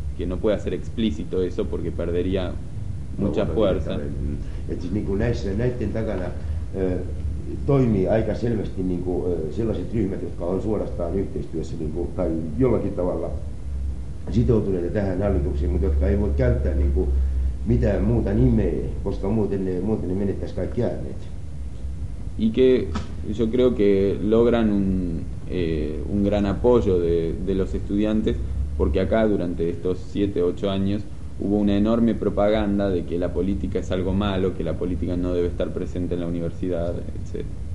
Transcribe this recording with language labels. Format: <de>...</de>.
<es>Que no puede hacer explícito eso porque perdería mucha fuerza.</es> <fi>Siis niinku näitten takana toimii aika selvästi niinku sellaiset ryhmät, jotka on suorastaan yhteistyössä niinku tai jollakin tavalla sitoutuneita tähän hallitukseen, mutta jotka ei voi käyttää niinku mitään muuta nimeä, koska muuten ne menettäisi kaikki ääneet.</fi> <es>Y que yo creo que logran un gran apoyo de los estudiantes. Porque acá durante estos 7-8 años hubo una enorme propaganda de que la política es algo malo, que la política no debe estar presente en la universidad, etc.</es>